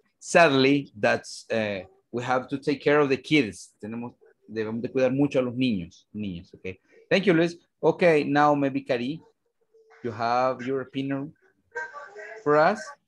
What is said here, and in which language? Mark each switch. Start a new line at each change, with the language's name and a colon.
English: Sadly, that's we have to take care of the kids.
Spanish: Debemos de cuidar mucho a los niños, okay.
English: Thank you, Luis. Okay, now maybe Cari, you have your opinion for us.